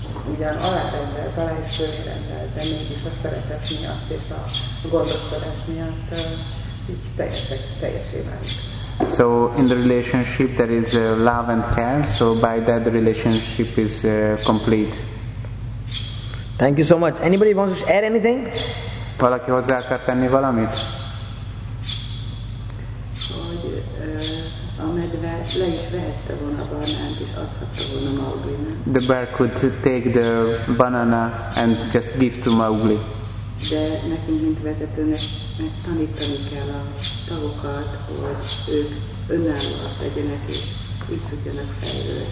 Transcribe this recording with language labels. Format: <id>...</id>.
<hu>Ugyan alárendelt, alá is főrendelt, de mégis a szeretet miatt és a gondoskodás miatt így teljesé válik.</hu> <en>So in the relationship there is love and care, so by that the relationship is complete. Thank you so much. Anybody wants to add anything?</en> <hu>Valaki hozzá akar tenni valamit? Hogy a medve le is vehette volna a banánt és adhatta volna Mowgli-nak.</hu> <en>The bear could take the banana and just give to Mowgli.</en> <hu>De nekünk, mint vezetőnek tanítani kell a tagokat, hogy ők önállóak legyenek, és így tudjanak fejlődni.</hu>